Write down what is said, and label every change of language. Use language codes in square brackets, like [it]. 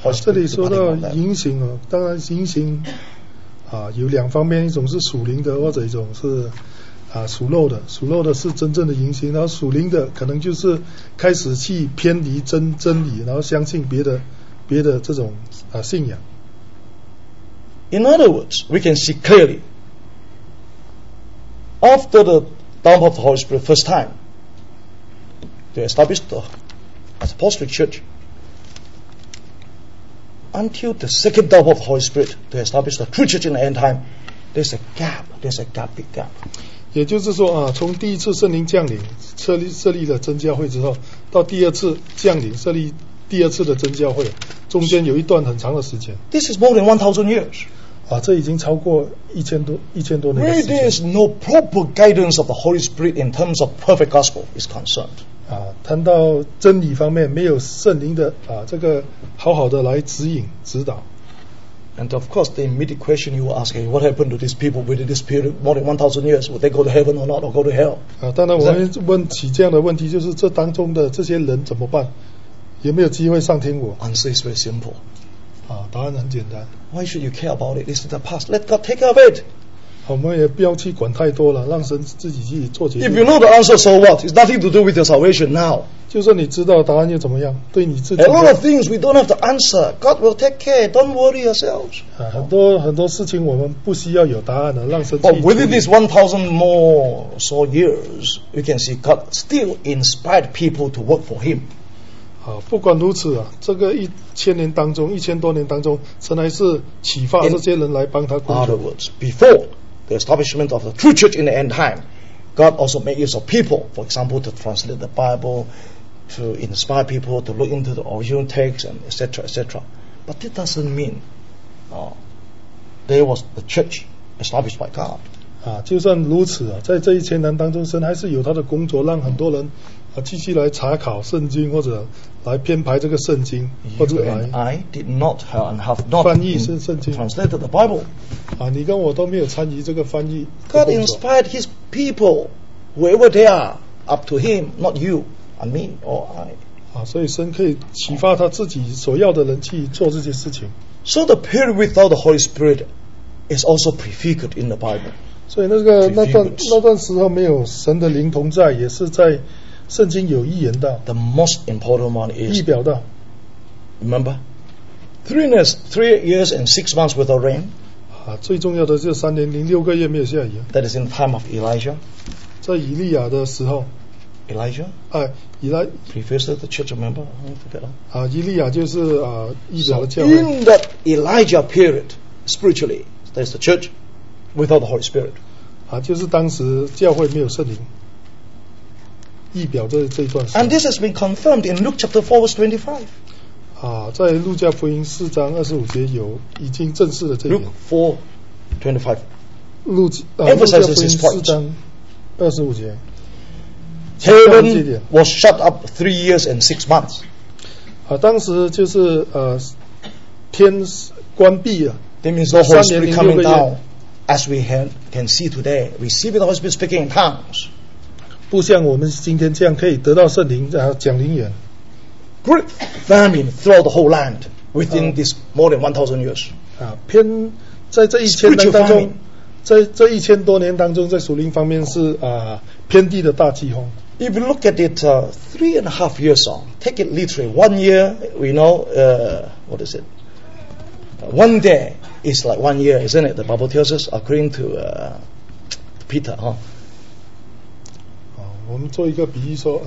[zh] 这里说到淫行当然淫行有两方面，一种是属灵的，或者一种是。属肉的是真正的淫行，然后属灵的可能就是开始去偏离真理，然后相信别的这种信仰。 [en] In other words, we can see clearly after the downpour of the Holy Spirit first time to establish the apostolic church, until the second downpour of the Holy Spirit to establish the true church in the end time, there's a big gap. [zh] 也就是说从第一次圣灵降临设立了真教会之后，到第二次降临设立第二次的真教会，中间有一段很长的时间。 [en] This is more than 1,000 years. [zh] 啊，这已经超过一千多年的时间。 [en] Where there is no proper guidance of the Holy Spirit in terms of perfect gospel is concerned. [zh] 啊，谈到真理方面，没有圣灵的啊，这个好好的来指引指导。 [en] And of course, the immediate question you were asking, what happened to these people within this period more than 1,000 years? Would they go to heaven or not, or go to hell? [zh] 啊，当然我们问起这样的问题，就是这当中的这些人怎么办？有没有机会上天国？ [en] Answer is very simple. [zh] 啊，答案很简单。 [en] Why should you care about it? It's the past. Let God take care of it. [zh] 我们也不要去管太多了，让神自己去做决定。 [en] If you know the answer, so what? It's nothing to do with your salvation now. [zh] 就算你知道答案又怎么样？对你自己。 [en] A lot of things we don't have to answer. God will take care. Don't worry yourselves. [zh] 啊，很多事情我们不需要有答案了，让神自己。 [en] But within these 1,000 more so years, we can see God still inspired people to work for Him. [zh] 啊，不管如此啊，这个一千年当中，一千多年当中，神还是启发这些人来帮他工作。 [en] In other words, before the establishment of the true church in the end time, God also made use of people, for example, to translate the Bible, to inspire people to look into the original text, and etc., etc. But that doesn't mean, there was the church established by God. [zh] 啊，就算如此啊，在这一千年当中，神还是有他的工作，让很多人。继续来查考圣经，或者来编排这个圣经，或者来 [en] I did not have not [zh] 翻译圣经 [en] translated the Bible. [zh] 啊，你跟我都没有参与这个翻译。 [en] God inspired His people, wherever they are, up to Him, not you and me or I. [zh] 啊，所以神可以启发他自己所要的人去做这些事情。 [en] So the period without the Holy Spirit is also prefigured in the Bible. [zh] 所以那段时候没有神的灵同在，也是在。圣经有预言到 [en] The most important one is [zh] 预表到 [en] Remember three years and 6 months without rain、 [zh] 啊、最重要的就是三年零六个月没有下雨 [en] That is in the time of Elijah [zh] 在以利亚的时候 [en] Elijah、啊、 Prefaced the church member、 [zh] 啊、以利亚就是、啊、预表的教会 [en] In that Elijah period spiritually that is the church without the Holy Spirit、 [zh] 啊、就是当时教会没有圣灵 [en] And this has been confirmed in Luke chapter 4 verse 25. [zh] 在路加福音四章二十五节有已经正式的这一点。 [en] Luke 4:25. Emphasizes this point. [zh] 四章二十五节。 [en] Heaven was shut up 3 years and 6 months. [zh] 当时就是天关闭了。 [en] That means the Holy Spirit coming down, as we can see today, receiving the Holy Spirit speaking in tongues. [zh] 不像我们今天这样可以得到圣灵、讲灵言 [en] Great famine throughout the whole land within this more than 1,000 years [zh] 偏在这一千年当中在这一千多年当中在属灵方面是、偏地的大饥荒 [en] If you look at it three and a half years on take it literally one year we know what is it one day is like one year isn't it the Bible tells us according to Peter huh? [zh] 我们做一个比喻说